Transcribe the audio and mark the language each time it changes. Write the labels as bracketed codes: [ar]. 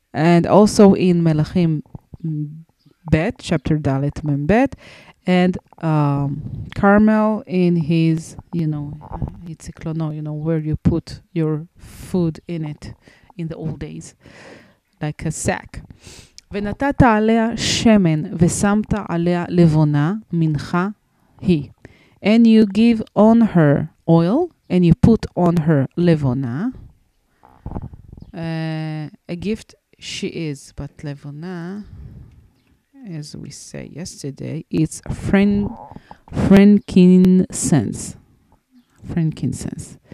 [en] And also in Melachim Bet chapter Dalet Mem Bet, and Karmel in his you know Yitziklono, you know where you put your food in it in the old days, like a sack. [he] ונתת עליה שמן ושמת עליה לבונה מנחה היא. [en] And you give on her oil and you put on her לבונה. A gift she is, but לבונה, as we say yesterday, it's frankincense.